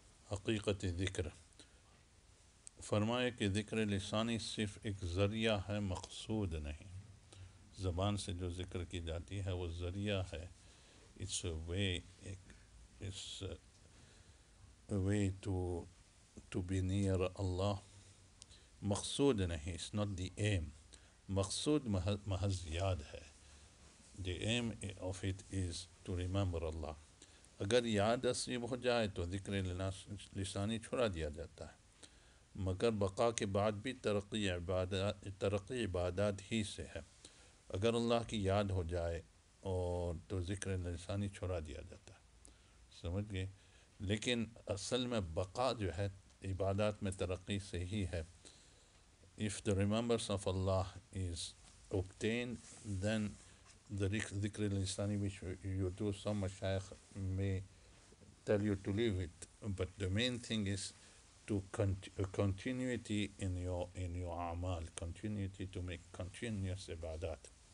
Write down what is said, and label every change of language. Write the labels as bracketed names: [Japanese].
[Urdu] حقیقت ذکر, فرمائے کہ ذکر لسانی صرف ایک ذریعہ ہے, مقصود نہیں. زبان سے جو ذکر کی جاتی ہے وہ ذریعہ ہے. [English] It's a way, it's a way to be near Allah. [Urdu] مقصود نہیں, [English] it's not the aim. [Urdu] مقصود محض یاد ہے. [English] The aim of it is to remember Allah. [Urdu] اگر یاد نصیب ہو جائے تو ذکر لسانی چھوڑا دیا جاتا ہے, مگر بقا کے بعد بھی ترقی عبادات ہی سے ہے. اگر اللہ کی یاد ہو جائے اور تو ذکر لسانی چھوڑا دیا جاتا ہے, سمجھ گئے. لیکن اصل میں بقا جو ہے عبادات میں ترقی سے ہی ہے. [English] If the remembrance of Allah is obtained, then the dhikr al-lisani which you do, some mashayikh may tell you to leave it, but the main thing is to continuity in your amal, continuity to make continuous ibadat.